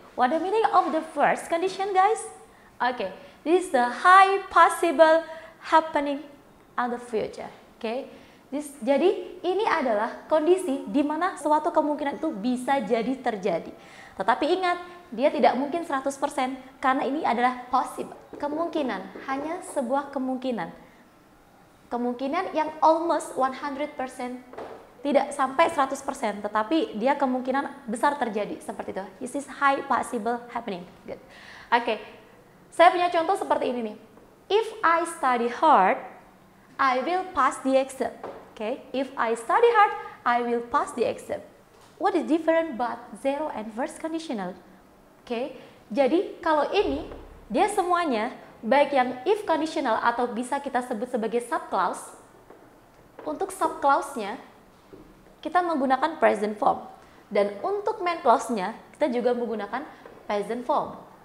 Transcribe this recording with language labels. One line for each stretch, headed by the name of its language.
English: What the meaning of the first condition, guys? Okay, this is the high possible happening in the future.
Indonesian: Okay, this, jadi ini adalah kondisi di mana suatu kemungkinan itu bisa jadi terjadi. Tetapi ingat, dia tidak mungkin 100% karena ini adalah possible. Kemungkinan, hanya sebuah kemungkinan. Kemungkinan yang almost 100% tidak sampai 100%, tetapi dia kemungkinan besar terjadi seperti itu.
English: This is high possible happening. Good. Okay.
Indonesian: Saya punya contoh seperti ini nih.
English: If I study hard, I will pass the exam. Okay. If I study hard, I will pass the exam. What is different but zero and first conditional? Okay.
Indonesian: Jadi kalau ini dia semuanya baik yang if conditional atau bisa kita sebut sebagai subclause. Untuk subclause-nya kita menggunakan present form. Dan untuk main clause-nya kita juga menggunakan present form.